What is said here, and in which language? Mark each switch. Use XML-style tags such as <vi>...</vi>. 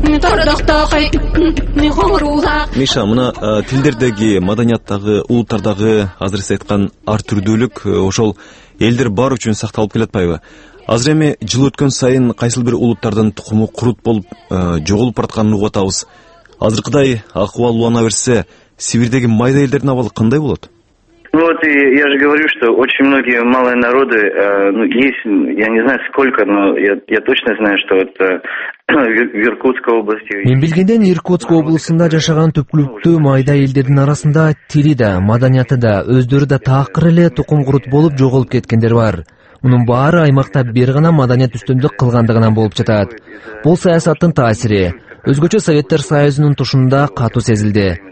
<ky>Миша, мына тилдердеги, маданияттагы, улуттардагы азыр сиз айткан ар түрдүүлүк ошол элдер бар үчүн сакталып келе жатпайбы? Азыр эми жыл өткөн сайын кайсыл бир улуттардын тукуму курут болуп жоголуп баратканын угуп атабыз. Азыркыдай акыбал улана берсе, Сибирдеги майда элдердин абалы кандай болот?</ky> <ru>Ну вот я же говорю, что очень многие малые народы, ну есть, я не знаю сколько, но я точно знаю, что это в Иркутской области.</ru> <ky>Мен билгенден Иркутск облусунда жашаган түпкүлүктүү майда элдердин арасында тили да, маданияты да, өздөрү да такыр эле тукум курут болуп жоголуп кеткендер бар. Мунун баары аймакта бир гана маданият үстөмдүк кылгандыгынан болуп жатат. Бул саясаттын таасири. Өзгөчө Советтер Союзунун тушунда катуу сезилди.</ky>